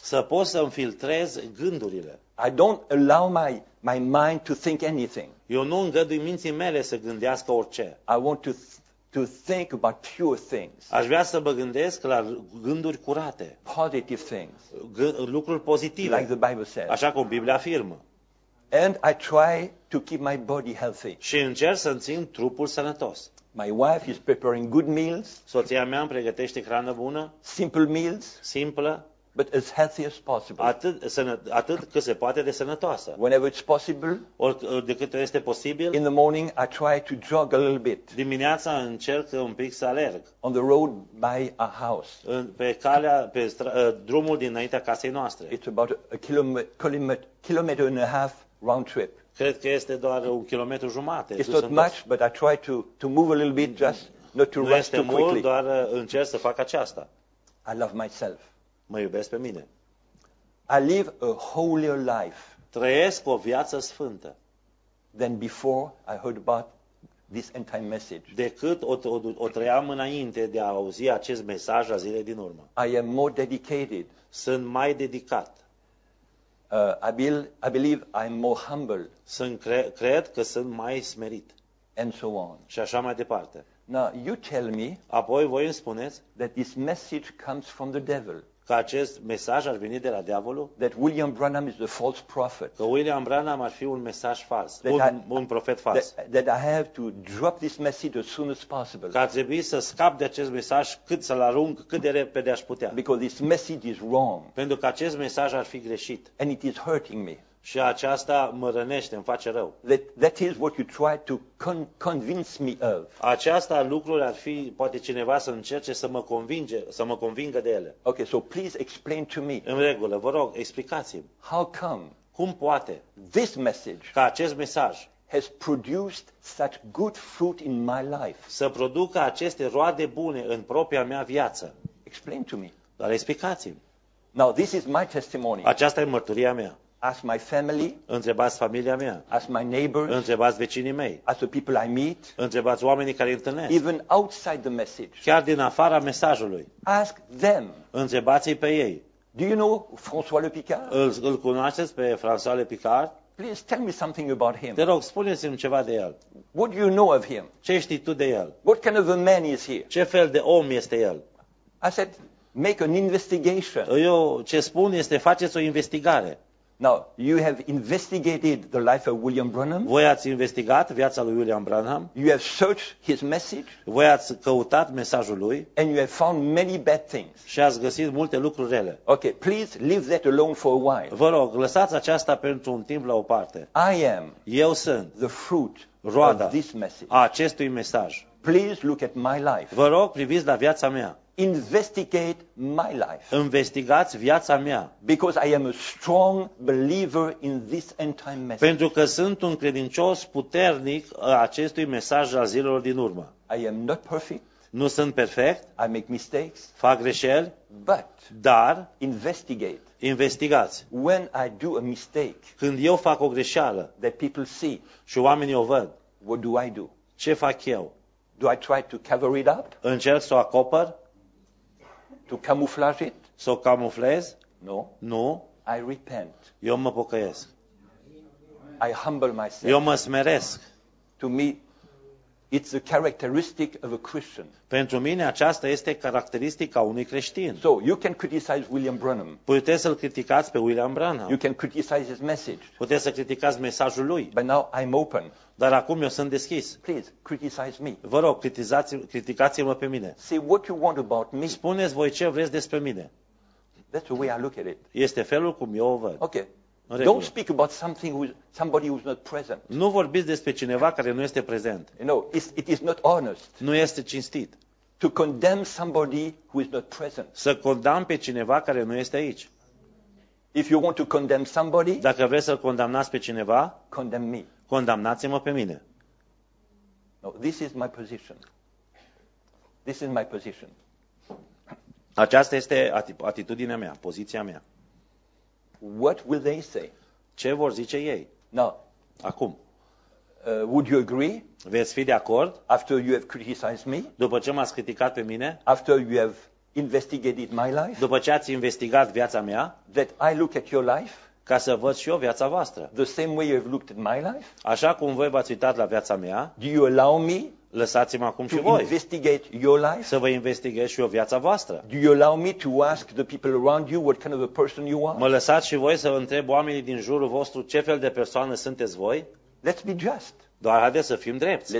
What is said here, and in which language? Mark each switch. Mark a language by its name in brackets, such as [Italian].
[Romanian] Să pot să îmi filtrez gândurile. [English] I don't allow my mind to think anything. [Romanian] Eu nu îngădui minții mele să gândească orice. [English] I want to think about pure things. [Romanian] Aș vrea să mă gândesc la gânduri curate. [English] Positive things. [Romanian] Lucruri pozitive. [English] Like the Bible says. [Romanian] Așa cum Biblia afirmă. [English] And I try to keep my body healthy. [Romanian] Și încerc să țin trupul sănătos. [English] My wife is preparing good meals. [Romanian] Soția mea îmi pregătește hrană bună. [English] Simple meals. [Romanian] Simplă. [English] But as healthy as possible. [Romanian] Atât cât se poate de sănătoasă. [English] Whenever it's possible. [Romanian] De cât este posibil. [English] In the morning I try to jog a little bit. [Romanian] Dimineața încerc un pic să alerg. [English] On the road by a house. [Romanian] Pe drumul dinaintea casei noastre. [English] It's about a kilometer and a half round trip. [Romanian] Cred că este doar un kilometru jumate. [English] It's not much, but I try to move a little bit just not to rush too quickly. [Romanian] Doar încerc să fac aceasta. [English] I love myself. [Romanian] Mă iubesc pe mine. [English] I live a holier life. [Romanian] Trăiesc o viață sfântă. [English] Than before I heard about this end time message. [Romanian] Decât o trăiam înainte de a auzi acest mesaj la zile din urmă. [English] I am more dedicated. [Romanian] Sunt mai dedicat. [English] I believe I'm more humble. [Romanian] Cred că sunt mai smerit. [English] And so on. [Romanian] Și așa mai departe. [English] Now you tell me. [Romanian] Apoi voi îmi spuneți. [English] That this message comes from the devil. [Romanian] Că acest mesaj ar veni de la diavolul. [English] That William Branham is a false prophet. [Romanian] Că William Branham ar fi un mesaj fals, un profet fals. [English] That I have to drop this message as soon as possible. [Romanian] Că ar trebui să scap de acest mesaj cât să-l arunc cât de repede aș putea. [English] Because this message is wrong. [Romanian] Pentru că acest mesaj ar fi greșit. [English] And it is hurting me. [Romanian] Și aceasta mă rănește, îmi face rău. [English] That is what you try to convince me of. [Romanian] Aceasta lucruri ar fi poate cineva să încerce să mă convingă de ele. [English] Okay, so please explain to me. [Romanian] În regulă, vă rog, explicați-mi. [English] How come? [Romanian] Cum poate? [English] This message. [Romanian] Că acest mesaj [English] has produced such good fruit in my life. [Romanian] Să producă aceste roade bune în propria mea viață. [English] Explain to me. [Romanian] Dar explicați-mi. [English] Now this is my testimony. [Romanian] Aceasta e mărturia mea. [English] Ask my family. [Romanian] Întrebați familia mea. [English] Ask my neighbors. [Romanian] Întrebați vecinii mei. [English] Ask the people I meet. [Romanian] Întrebați oamenii care îi întâlnesc. [English] Even outside the message. [Romanian] Chiar din afara mesajului. [English] Ask them. [Romanian] Întrebați-i pe ei. [English] Do you know François Le Picard? [Romanian] Îl cunoașteți pe François Le Picard? [English] Please tell me something about him. [Romanian] Te rog, spuneți-mi ceva de el. [English] What do you know of him? [Romanian] Ce știi tu de el? [English] What kind of a man is he? [Romanian] Ce fel de om este el? [English] I said, make an investigation. [Romanian] Eu ce spun este faceți o investigare. [English] Now, you have investigated the life of William Branham. [Romanian] Voi ați investigat viața lui William Branham. [English] You have searched his message. [Romanian] Voi ați căutat mesajul lui. [English] And you have found many bad things. [Romanian] Și ați găsit multe lucruri rele. [English] Okay, please leave that alone for a while. [Romanian] Vă rog, lăsați aceasta pentru un timp la o parte. [English] I am. [Romanian] Eu sunt. [English] The fruit. [Romanian] Roada. [English] Of this message. [Romanian] A acestui mesaj. [English] Please look at my life. [Romanian] Vă rog, priviți la viața mea. [English] Investigate my life. [Romanian] Investigați viața mea. [English] Because I am a strong believer in this end time message. [Romanian] Pentru că sunt un credincios puternic acestui mesaj al zilelor din urmă. [English] I am not perfect. [Romanian] Nu sunt perfect. [English] I make mistakes. [Romanian] Fac greșeli. [English] But. [Romanian] Dar. [English] Investigate. [Romanian] Investigați. [English] When I do a mistake. [Romanian] Când eu fac o greșeală. [English] That people see. [Romanian] Și oamenii o văd. [English] What do I do? [Romanian] Ce fac eu? [English] Do I try to cover it up? [Romanian] Încerc să o acopăr? [English] To camouflage it? [Romanian] S-o camuflez? [English] No. [Romanian] Nu. [English] I repent. [Romanian] Eu mă pocăiesc. [English] I humble myself. [Romanian] Eu mă smeresc. [English] To me, it's a characteristic of a Christian. [Romanian] Pentru mine aceasta este caracteristica unui creștin. [English] So, you can criticize William Branham. [Romanian] Puteți să-l criticați pe William Branham. [English] You can criticize his message. [Romanian] Puteți să criticați mesajul lui. [English] But now I'm open. [Romanian] Dar acum eu sunt deschis. [English] Please criticize me. [Romanian] Vă rog, criticați-mă pe mine. [English] Say what you want about me. [Romanian] Spuneți voi ce vreți despre mine. [English] That's the way I look at it. [Romanian] Este felul cum eu o văd. [English] Okay. Don't speak about something with somebody who's not present. [Romanian] Nu vorbiți despre cineva care nu este prezent. [English] You know, it is not honest. [Romanian] Nu este cinstit. [English] To condemn somebody who is not present. [Romanian] Să condamn pe cineva care nu este aici. [English] If you want to condemn somebody, [Romanian] dacă vreți să-l condamnați pe cineva, [English] condemn me. [Romanian] Condamnați-mă pe mine. [English] No, this is my position. This is my position. [Romanian] Aceasta este atitudinea mea, poziția mea. [English] What will they say? [Romanian] Ce vor zice ei? [English] Now, [Romanian] acum. [English] Would you agree? [Romanian] Veți fi de acord? [English] After you have criticized me? [Romanian] După ce m-ați criticat pe mine? [English] After you have investigated my life? [Romanian] După ce ați investigat viața mea? [English] That I look at your life? [Romanian] Ca să văd și eu viața voastră. [English] The same way you have looked at my life? [Romanian] Așa cum voi v-ați uitat la viața mea? [English] Do you allow me? [Romanian] Lăsați-mă acum [English] to [Romanian] și voi. [English] Investigate your life? [Romanian] Să vă investighez și eu viața voastră. [English] Do you allow me to ask the people around you what kind of a person you are? [Romanian] Mă lăsați și voi să vă întreb oamenii din jurul vostru ce fel de persoană sunteți voi? [English] Let's be just. [Romanian] Doar haideți să fim drepți.